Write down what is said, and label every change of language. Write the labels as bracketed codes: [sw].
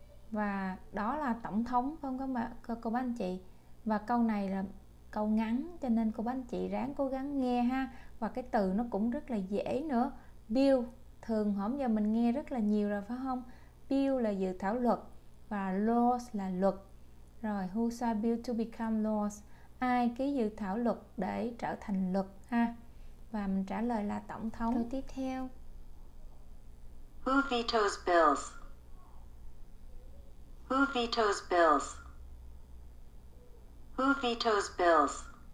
[vi] Và đó là tổng thống, không có mà cô bác anh chị. Và câu này là câu ngắn cho nên cô bác anh chị ráng cố gắng nghe ha. Và cái từ nó cũng rất là dễ nữa. Bill thường hổm giờ mình nghe rất là nhiều rồi phải không? Bill là dự thảo luật và laws là luật. Rồi, [en] who signed bill to become laws? [vi] Ai ký dự thảo luật để trở thành luật ha? Và mình trả lời là tổng thống. Câu tiếp theo. [en] Who vetoes bills? Who vetoes bills? Who vetoes bills?